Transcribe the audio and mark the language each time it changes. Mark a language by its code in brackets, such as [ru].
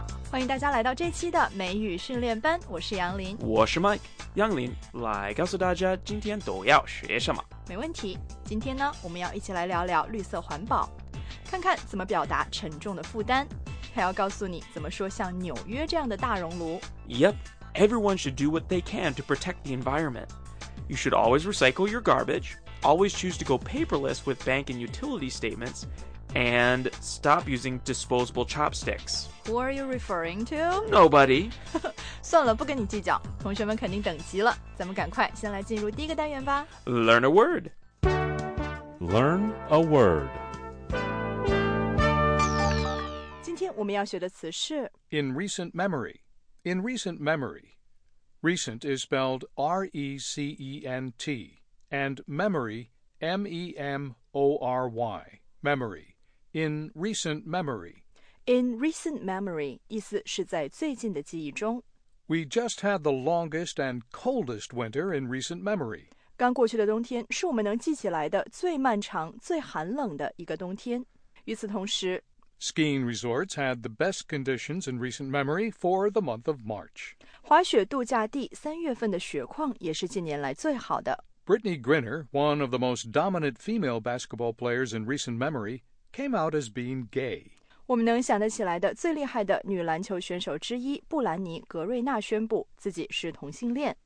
[zh] 欢迎大家来到这期的美语训练班，我是杨林，我是 Mike。杨林，来告诉大家今天都要学什么。没问题，今天呢，我们要一起来聊聊绿色环保，看看怎么表达沉重的负担，还要告诉你怎么说像纽约这样的大熔炉。 [en] Yep, everyone should do what they can to protect the environment. You should always recycle your garbage, always choose to go paperless with bank and utility statements, and stop using disposable chopsticks. Who are you referring to? Nobody. [zh] 算了，不跟你计较，同学们肯定等急了，咱们赶快先来进入第一个单元吧。 [en] Learn a word. Learn a word. [zh] 我们要学的词是 [en] In recent memory. In recent memory. Recent is spelled R-E-C-E-N-T. And memory, M-E-M-O-R-Y. Memory. In recent memory. In recent memory, [zh] 意思是在最近的记忆中。 [en] We just had the longest and coldest winter in recent memory. [zh] 刚过去的冬天是我们能记起来的最漫长、最寒冷的一个冬天。与此同时， [en] Skiing resorts had the best conditions in recent memory for the month of March. [zh] 滑雪度假地三月份的雪况也是近年来最好的。 [en] Brittany Griner, one of the most dominant female basketball players in recent memory, came out as being gay. [zh] 我们能想得起来的最厉害的女篮球选手之一布兰妮·格瑞纳宣布自己是同性恋。